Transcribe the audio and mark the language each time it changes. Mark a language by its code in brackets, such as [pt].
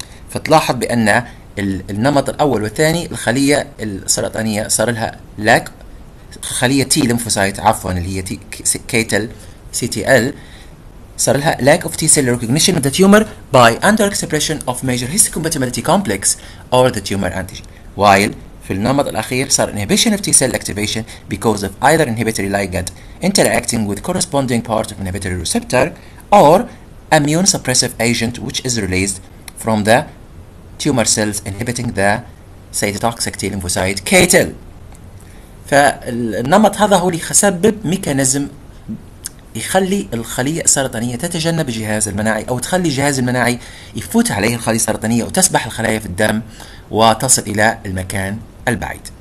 [ar] فتلاحظ بان النمط الاول والثاني الخلية السرطانية صار لها لاك خلية تي لمفوسايت عفوا اللي هي تي كيتل سي تي ال صار لها [en] lack of T cell recognition of the tumor by underexpression of major histocompatibility complex or the tumor antigen. While [ar] في النمط الأخير صار [en] inhibition of T cell activation because of either inhibitory ligand interacting with corresponding part of inhibitory receptor or immune suppressive agent which is released from the tumor cells inhibiting the cytotoxic T lymphocyte KTL. [ar] فالنمط هذا هو اللي يسبب ميكانيزم يخلي الخلية السرطانية تتجنب الجهاز المناعي أو تخلي الجهاز المناعي يفوت عليه الخلية السرطانية وتسبح الخلايا في الدم وتصل إلى المكان البعيد.